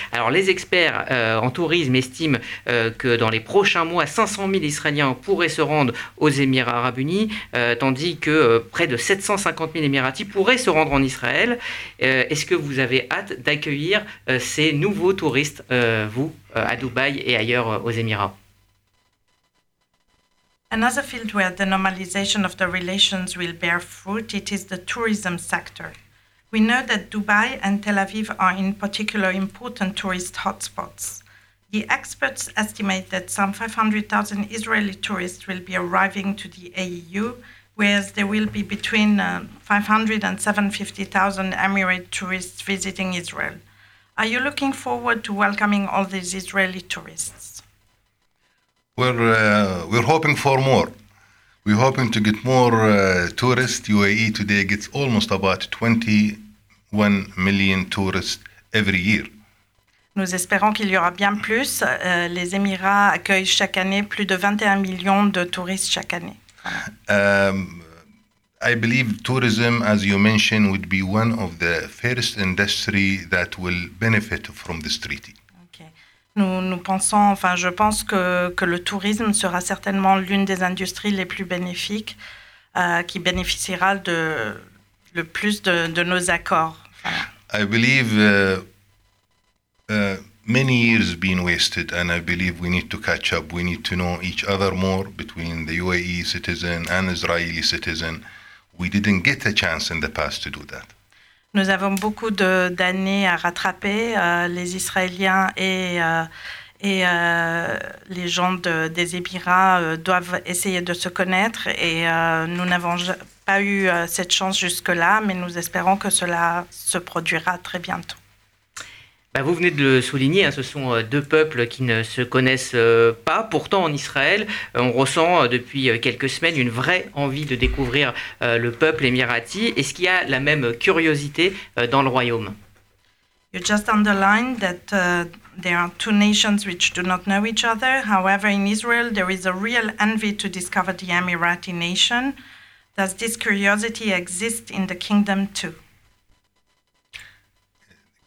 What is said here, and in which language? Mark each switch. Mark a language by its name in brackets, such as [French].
[French] Alors, les experts en tourisme estiment que dans les prochains mois, 500 000 Israéliens pourraient se rendre aux Émirats Arabes Unis, tandis que près de 750 000 Émiratis pourraient se rendre en Israël. Est-ce que vous avez hâte d'accueillir ces nouveaux touristes, à Dubaï et ailleurs aux Émirats ? [English] Another field where the normalization of the relations will bear fruit, it is the tourism sector. We know that Dubai and Tel Aviv are in particular important tourist hotspots. The experts estimate that some 500,000 Israeli tourists will be arriving to the AEU, whereas there will be between 500 and 750,000 Emirate tourists visiting Israel. Are you looking forward to welcoming all these Israeli tourists? We're hoping for more. We're hoping to get more tourists. UAE today gets almost about 21 million tourists every year. [French] Nous espérons qu'il y aura bien plus. Les Émirats accueillent chaque année plus de 21 millions de touristes chaque année. [English] I believe tourism, as you mentioned, would be one of the first industries that will benefit from this treaty. [French] Je pense que le tourisme sera certainement l'une des industries les plus bénéfiques, qui bénéficiera le plus de nos accords. [English] I believe many years been wasted, and I believe we need to catch up. We need to know each other more between the UAE citizen and Israeli citizen. We didn't get a chance in the past to do that. [French] Nous avons beaucoup d'années à rattraper, les Israéliens les gens des Émirats doivent essayer de se connaître et nous n'avons pas eu cette chance jusque-là, mais nous espérons que cela se produira très bientôt. Vous venez de le souligner, ce sont deux peuples qui ne se connaissent pas. Pourtant, en Israël, on ressent depuis quelques semaines une vraie envie de découvrir le peuple émirati. Est-ce qu'il y a la même curiosité dans le royaume ? [English] You just underlined that there are two nations which do not know each other. However, in Israel, there is a real envy to discover the Emirati nation. Does this curiosity exist in the kingdom too ?